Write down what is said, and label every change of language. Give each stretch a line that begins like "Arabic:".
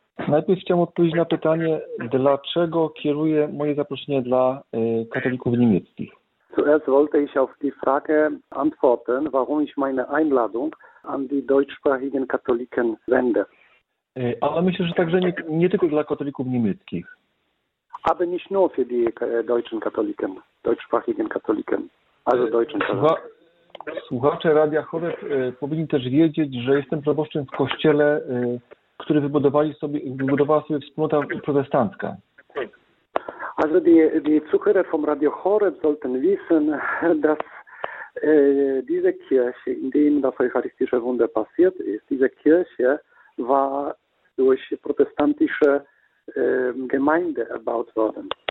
Polish: Najpierw chciałem odpowiedzieć na pytanie, dlaczego kieruję moje zaproszenie dla katolików niemieckich.
German: Zuerst wollte ich auf die Frage antworten, warum ich meine Einladung an die deutschsprachigen Katholiken sende.
Polish: Ale myślę, że także nie tylko dla katolików niemieckich.
German: Aber nicht nur für die deutschen Katholiken, deutschsprachigen Katholiken, also deutschen Katholiken.
Polish: Słuchacze Radia Horeb powinni też wiedzieć, że jestem proboszczem w kościele, który wybudowała sobie wspólnota protestancka.
German: Also die Zuhörer vom Radio Horeb sollten wissen, dass diese Kirche, in dem das eucharistische Wunder passiert ist, diese Kirche war durch protestantische Gemeinde erbaut worden.